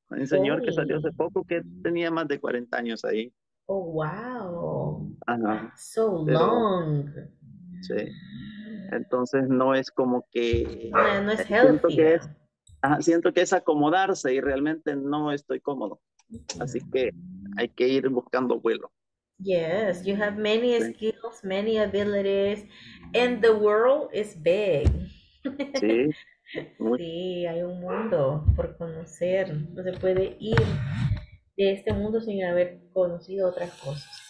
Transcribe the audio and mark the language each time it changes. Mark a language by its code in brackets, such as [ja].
[es] Hay un señor que salió hace poco que tenía más de 40 años ahí. [en] Oh, wow. [es] Ah, no. [en] So long. [es] Sí. Entonces no es como que... No es healthy. Siento que es acomodarse y realmente no estoy cómodo. Así que hay que ir buscando vuelo. [en] Yes, you have many skills, many abilities, and the world is big. [es] Sí. Sí, hay un mundo por conocer. No se puede ir de este mundo sin haber conocido otras cosas.